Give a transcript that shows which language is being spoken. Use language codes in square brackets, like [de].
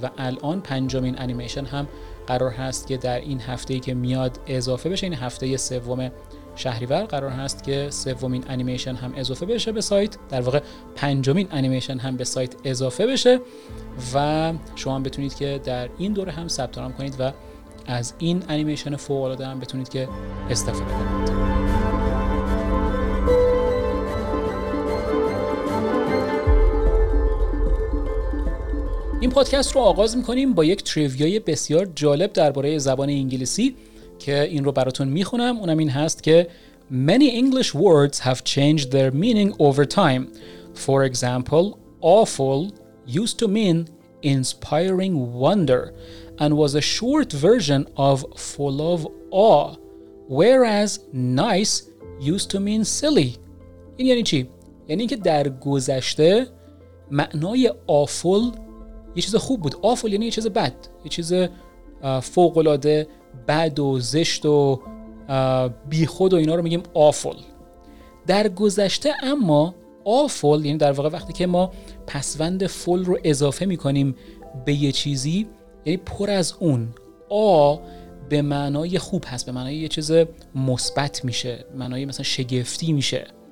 [fa] و الان 5 انیمیشن هم قرار هست که در این هفته‌ای که میاد اضافه بشه، این هفته 3 شهریور قرار هست که 3 انیمیشن هم اضافه بشه به سایت، در واقع 5 انیمیشن هم به سایت اضافه بشه و شما هم بتونید که در این دوره هم ثبت نام کنید و از این انیمیشن فوق العاده هم بتونید که استفاده کنید. این پادکست رو آغاز می‌کنیم با یک تریویای بسیار جالب درباره زبان انگلیسی که این رو براتون میخونم. اونم این هست که [en] Many English words have changed their meaning over time. For example, awful used to mean inspiring wonder and was a short version of full of awe. Whereas nice used to mean silly. [fa] این یعنی چی؟ یعنی که در گذشته معنای awful یه چیز خوب بود. awful یعنی یه چیز بد، یه چیز فوق‌العاده بد و زشت و بی خود و اینا رو میگیم awful. در گذشته اما awful یعنی در واقع وقتی که ما پسوند full رو اضافه میکنیم به یه چیزی، یعنی پر از اون، به معنای خوب هست، به معنای یه چیز مثبت میشه، معنای مثلا شگفتی میشه.